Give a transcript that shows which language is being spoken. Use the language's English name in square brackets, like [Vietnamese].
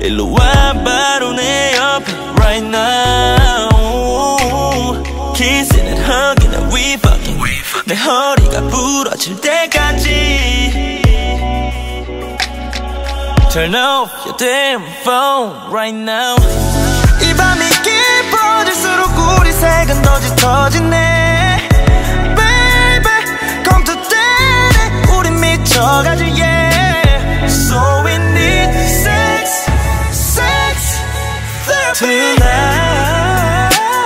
[Korean] 일로 와 바로 내 옆에 [English] right now. Kissing and hugging and we fucking. [Korean] 내 허리가 부러질 때까지. [English] Turn off your damn phone right now. [Korean] 이 밤이 깊어질수록 우리 색은 더 짙어지네. [English] Baby, come to daddy. [Korean] 우리 미쳐가지, yeah. [English] So we need sex, sex therapy tonight.